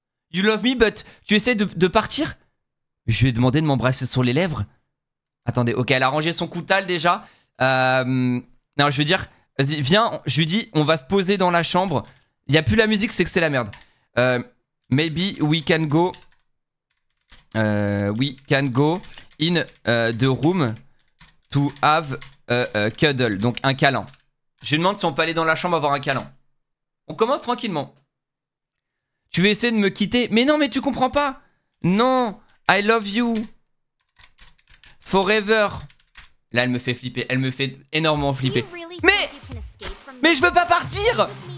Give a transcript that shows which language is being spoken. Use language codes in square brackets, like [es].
[en] You love me, but tu essaies de partir? [fr] Je lui ai demandé de m'embrasser sur les lèvres. Attendez, ok, elle a rangé son coutal déjà. Non, je veux dire, vas-y, viens, je lui dis, on va se poser dans la chambre. Il n'y a plus la musique, c'est que c'est la merde. [en] Maybe we can go. We can go in the room to have a cuddle. [fr] Donc un câlin. Je lui demande si on peut aller dans la chambre avoir un câlin. On commence tranquillement. Tu veux essayer de me quitter? Mais non, mais tu comprends pas. Non! [en] I love you forever. [fr] Là, elle me fait flipper. Elle me fait énormément flipper. Mais je veux pas partir.